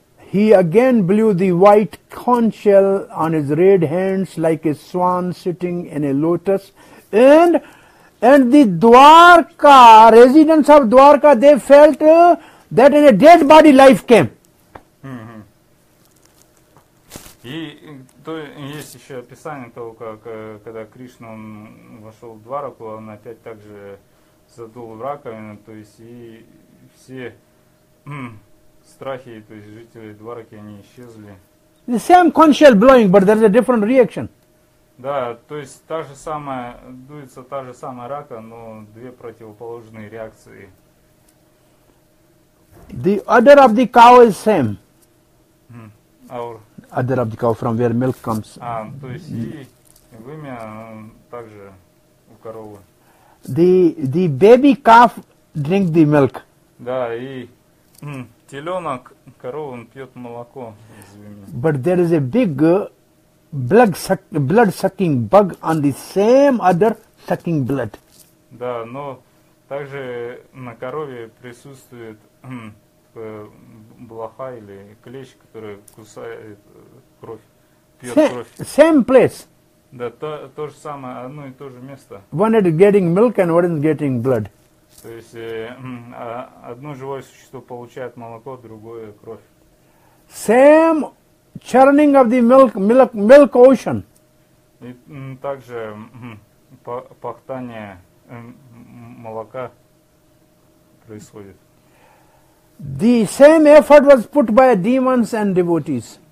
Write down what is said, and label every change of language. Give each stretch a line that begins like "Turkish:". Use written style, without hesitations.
English: He again blew the white conch shell on his red hands like a swan sitting in a lotus. And the Dwarka, residents of Dwarka, they felt that in a dead body life came.
Russian: Есть еще описание того, как когда Кришна вошел в Двараку, он опять так же задул в раковину, то есть и все страхи, то есть жители Двараки, они исчезли.
English: The same conch shell blowing, but there's a different reaction.
Russian: Да, то есть та же самая, дуется та же самая рака, но две противоположные реакции.
English: The odor of the cow is same. Our odor of the cow from where milk comes.
Russian: То есть и вымя также у коровы.
English: The baby calf drink the milk.
Russian: Да, и теленок коровы, он пьет молоко из вымя.
English: But there is a big blood sucking bug on the same other sucking blood.
Russian: Да, но также на корове присутствует блоха или клещ, который кусает кровь, пьет кровь.
English: Same place.
Russian: Да, то же самое, одно и то же место.
English: One is getting milk and one is getting blood.
Russian: То есть одно живое существо получает молоко, другое кровь.
English: Same churning of the milk ocean.
Russian: И также пахтание молока происходит.
English: The same effort was put by demons and devotees.